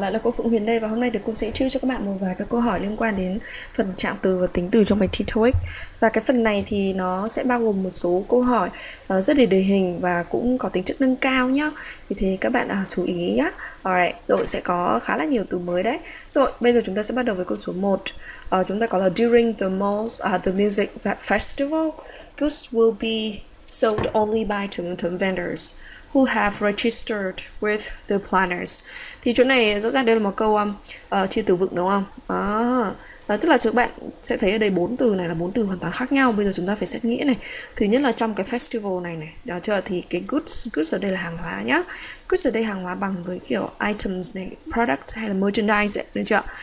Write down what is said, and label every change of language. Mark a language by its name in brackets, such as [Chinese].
[Vietnamese] Lại là cô Phụng Huyền đây, và hôm nay thì cô sẽ trưa cho các bạn một vài các câu hỏi liên quan đến phần trạng từ và tính từ trong bài thi TOEIC. Và cái phần này thì nó sẽ bao gồm một số câu hỏi rất là đề hình và cũng có tính chất nâng cao nhá. Vì thế các bạn chú ý nhá. Alright, rồi sẽ có khá là nhiều từ mới đấy. Rồi, bây giờ chúng ta sẽ bắt đầu với câu số 1. Chúng ta có là [English] During the music festival, goods will be sold only by certain vendors who have registered with the planners. [Vietnamese] Thì chỗ này rõ ràng đây là một câu chia từ vựng đúng không? Tức là các bạn sẽ thấy ở đây bốn từ này là bốn từ hoàn toàn khác nhau. Bây giờ chúng ta phải xét nghĩa này. Thứ nhất là trong cái festival này này, đó chưa? Thì cái goods ở đây là hàng hóa nhá. Goods ở đây hàng hóa bằng với kiểu items này, product hay là merchandise ấy, được chưa?